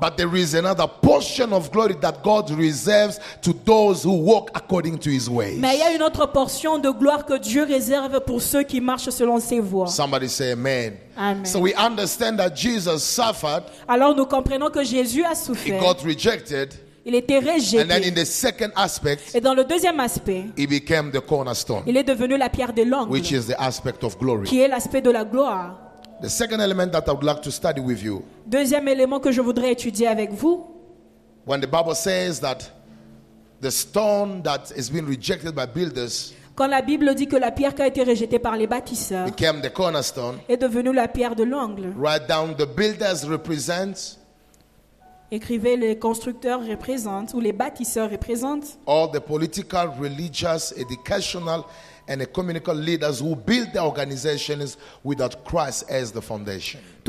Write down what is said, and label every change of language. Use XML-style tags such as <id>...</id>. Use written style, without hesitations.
<en>But there is another portion of glory that God reserves to those who walk according to His ways.</en> <fr>Mais il y a une autre portion de gloire que Dieu réserve pour ceux qui marchent selon ses voies.</fr> <en>Somebody say amen.</en> <fr>Amen.</fr> <en>So we understand that Jesus suffered.</en> <fr>Alors nous comprenons que Jésus a souffert.</fr> <en>He got rejected.</en> <fr>Il était rejeté.</fr> <en>And then in the second aspect,</en> <fr>et dans le deuxième aspect,</fr> <en>he became the cornerstone,</en> <fr>il est devenu la pierre de l'angle,</fr> <en>which is the aspect of glory,</en> <fr>qui est l'aspect de la gloire.</fr> <en>The second element that I would like to study with you.</en> <fr>Deuxième élément que je voudrais étudier avec vous.</fr> <en>When the Bible says that the stone that has been rejected by builders,</en> <fr>quand la Bible dit que la pierre qui a été rejetée par les bâtisseurs,</fr> <en>became the cornerstone,</en> <fr>est devenue la pierre de l'angle.</fr> <en>Write down the builders represent.</en> <fr>Écrivez les constructeurs représentent ou les bâtisseurs représentent.</fr> <en>All the political, religious, educational, and economical leaders who build the organizations without Christ as the foundation.</en>